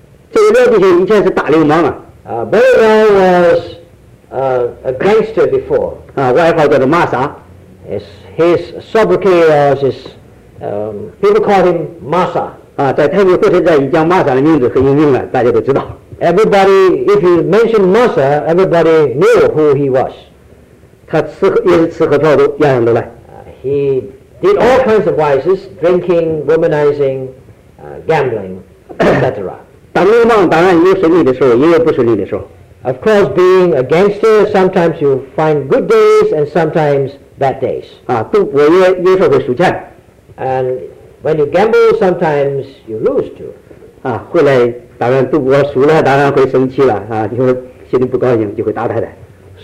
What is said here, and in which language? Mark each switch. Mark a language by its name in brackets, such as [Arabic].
[Chinese] 这个廖弟兄以前是大流氓啊。 [English] Brother Liao was a gangster before. [Chinese] 啊，外号叫做玛莎。 [English] His sobriquet was people called him 玛莎。 [Chinese] 啊，在台北火车站，一讲玛莎的名字很有名了，大家都知道。 [English] Everybody, if you mention 玛莎, everybody knew who he was. [Chinese] 他吃喝也是吃喝嫖赌，样样都来。 [English] He did all kinds of vices, drinking, womanizing, gambling, etc. Of course, being a gangster, sometimes you find good days and sometimes bad days. And when you gamble, sometimes you lose too.